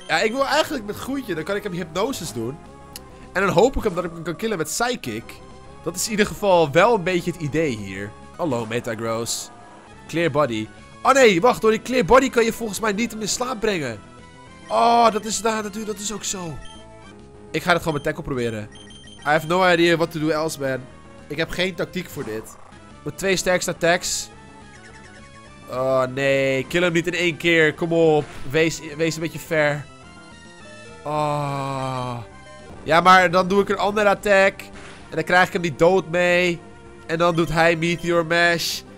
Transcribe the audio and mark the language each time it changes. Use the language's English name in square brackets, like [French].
[Dutch] Ja, ik wil eigenlijk met Groentje, dan kan ik hem hypnosis doen. En dan hoop ik hem dat ik hem kan killen met Psychic. Dat is in ieder geval wel een beetje het idee hier. Hallo, Metagross. Clear body. Oh nee, wacht. Door die clear body kan je volgens mij niet hem in slaap brengen. Oh, dat is daar natuurlijk. Dat is ook zo. Ik ga het gewoon met tackle proberen. [English] I have no idea what to do else, man. [Dutch] Ik heb geen tactiek voor dit. Met 2 sterkste attacks. Oh nee, kill hem niet in 1 keer. Kom op. Wees een beetje fair. Oh. Ja, maar dan doe ik een andere attack. En dan krijg ik hem niet dood mee. En dan doet hij Meteor Mash.